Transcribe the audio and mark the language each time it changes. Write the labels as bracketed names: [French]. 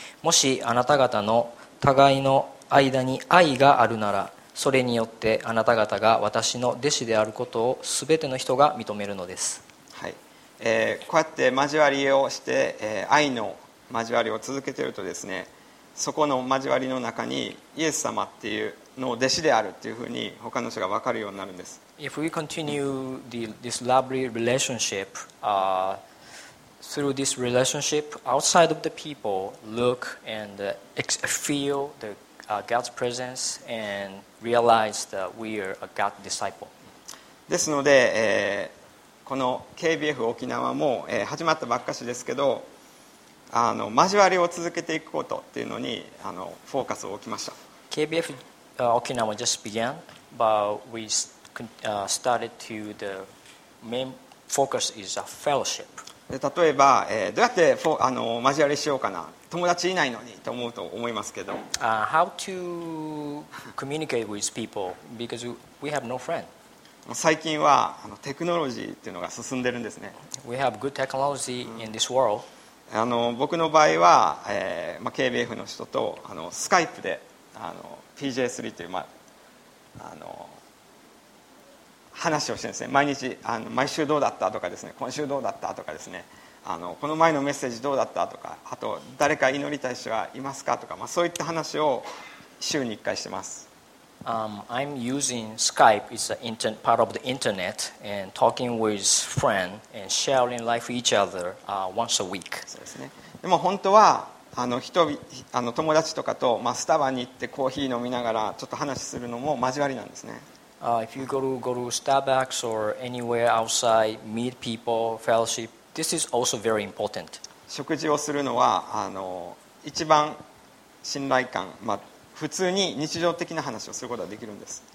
[Japanese] もしあなた方の互いの間に愛があるなら、それによってあなた方が私の弟子であることをすべての人が認めるのです。こうやって交わりをして、愛の交わりを続けているとですね、そこの交わりの中にイエス様っていうの弟子であるっていうふうに他の人が分かるようになるんです。 [English] If we continue this lovely relationship, through this relationship, outside of the people look and feel the God's presence and realize that we are a God disciple. [Japanese] ですので、この KBF 沖縄も始まったばっかしですけど交わりを続けていくことっていうのにフォーカスを置きました。 [English] KBF 沖縄 just began but we started to the main focus is a fellowship. [Japanese] 例えばどうやって交わりしようかな、友達いないのにと思うと思いますけど、 [English] How to communicate with people because we have no friend. [Japanese] 最近はテクノロジーっていうのが進んでるんですね。 [English] We have good technology in this world. [Japanese] 僕の場合は、KBF の人とスカイプで PJ3 という、話をしてるんですね。毎日毎週どうだったとかですね、今週どうだったとかですね、この前のメッセージどうだったとか、あと誰か祈りたい人はいますかとか、そういった話を週に1回してます。 [English] I'm using Skype. It's an internet part of the internet and talking with friends and sharing life with each other once a week. [Japanese] そうですね。でも本当は友達とかと、スタバに行ってコーヒー飲みながらちょっと話するのも交わりなんですね。 [English] If you go to Starbucks or anywhere outside, meet people, fellowship. This is also very important. [Japanese] 食事をするのは一番信頼感、普通に日常的な話をすることができるんです。